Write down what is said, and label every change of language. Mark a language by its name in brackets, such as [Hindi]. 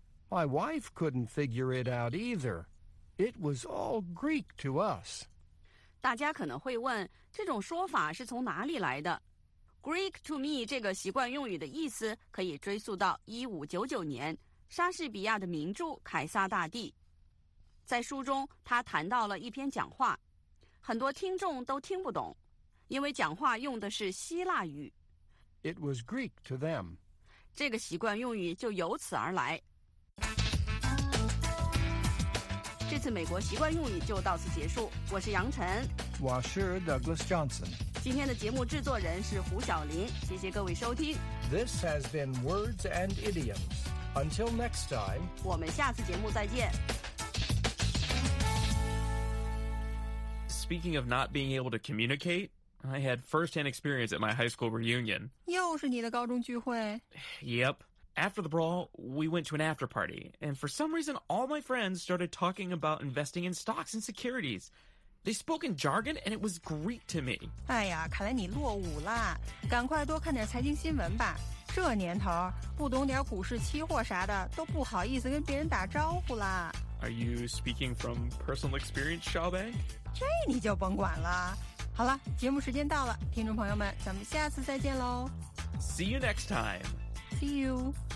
[English] My wife couldn't figure it out either. It was all Greek to us. [Chinese] 大家可能会问，这种说法是从哪里来的？ [English] Greek to me [Chinese] 这个习惯用语的意思可以追溯到1599年莎士比亚的名著《凯撒大帝》。在书中他谈到了一篇讲话，很多听众都听不懂，因为讲话用的是希腊语。 [English] It was Greek to them， [Chinese] 这个习惯用语就由此而来。这次美国习惯用语就到此结束，我是杨晨，我是 Douglas Johnson，今天的节目制作人是胡晓林，谢谢各位收听。 [English] This has been Words and Idioms. Until next time， [Chinese] 我们下次节目再见。 [English] Speaking of not being able to communicate, I had first-hand experience at my high school reunion. [Chinese] 又是你的高中聚会？ [English] Yep. After the brawl, we went to an after party, and for some reason, all my friends started talking about investing in stocks and securities. They spoke in jargon, and it was Greek to me. [Chinese] 哎呀，看来你落伍了。赶快多看点财经新闻吧。这年头，不懂点股市期货啥的，都不好意思跟别人打招呼了。 [English] Are you speaking from personal experience, Xiaobei? [Chinese] 这你就甭管了。好了，节目时间到了，听众朋友们，咱们下次再见喽。 [English] See you next time. See you.